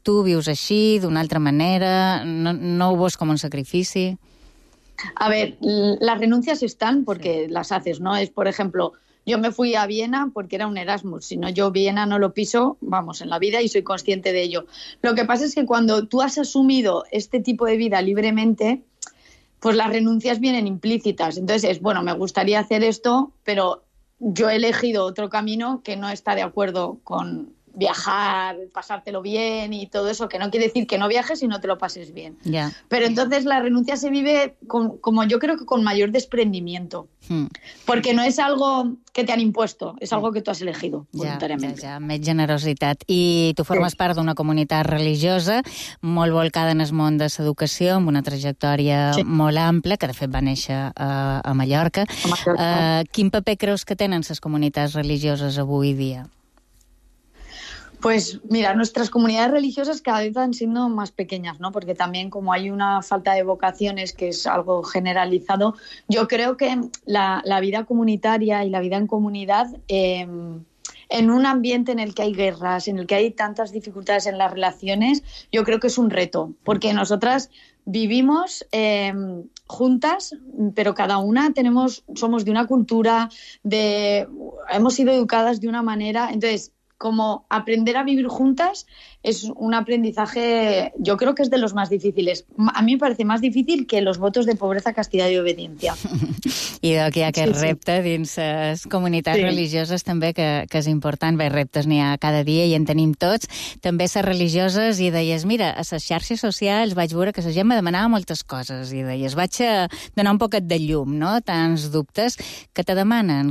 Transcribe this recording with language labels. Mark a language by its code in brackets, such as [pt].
[ca] Tu vius així, d'una altra manera? No ho veus com un sacrifici? [es] A ver, las renuncias están porque las haces, ¿no? Es, por ejemplo... Yo me fui a Viena porque era un Erasmus. Si no, yo Viena no lo piso, vamos, en la vida, y soy consciente de ello. Lo que pasa es que cuando tú has asumido este tipo de vida libremente, pues las renuncias vienen implícitas. Entonces es, bueno, me gustaría hacer esto, pero yo he elegido otro camino que no está de acuerdo con viajar, pasártelo bien y todo eso, que no quiere decir que no viajes y no te lo pases bien. Yeah. Pero entonces la renuncia se vive como yo creo que con mayor desprendimiento. Porque no es algo que te han impuesto, es algo que tú has elegido voluntariamente. [ca] Ja, més generositat. I tu formes part d'una comunitat religiosa molt volcada en el món de l'educació, amb una trajectòria molt ampla, que de fet va néixer a Mallorca. Quin paper creus que tenen les comunitats religioses avui dia? [es] Pues mira, nuestras comunidades religiosas cada vez van siendo más pequeñas, ¿no? Porque también como hay una falta de vocaciones, que es algo generalizado, yo creo que la vida comunitaria y la vida en comunidad, en un ambiente en el que hay guerras, en el que hay tantas dificultades en las relaciones, yo creo que es un reto, porque nosotras vivimos juntas, pero cada una somos de una cultura, hemos sido educadas de una manera, entonces... Como aprender a vivir juntas es un aprendizaje, yo creo que es de los más difíciles. A mí me parece más difícil que los votos de pobreza, castidad y obediencia. [ca] I d'aquí hi ha aquest repte dins les comunitats religioses també, que és important. Bé, reptes n'hi ha cada dia i en tenim tots. També ser religioses, i deies, mira, a les xarxes socials vaig veure que la gent me demanava moltes coses. I deies, vaig a donar un poquet de llum, no? Tants dubtes que te demanen.